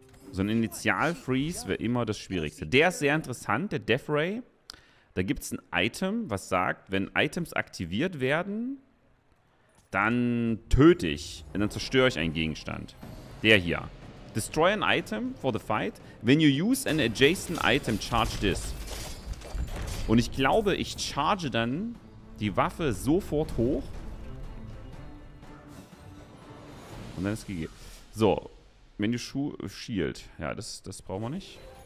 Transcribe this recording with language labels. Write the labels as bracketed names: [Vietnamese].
[German] So ein Initial-Freeze wäre immer das Schwierigste. Der ist sehr interessant, der Death Ray. Da gibt es ein Item, was sagt, wenn Items aktiviert werden, dann töte ich. Und dann zerstöre ich einen Gegenstand. Der hier. [English] Destroy an item for the fight. When you use an adjacent item, charge this. [German] Und ich glaube, ich charge dann die Waffe sofort hoch. Und dann ist GG. So. Wenn die Shield. Ja, das brauchen wir nicht.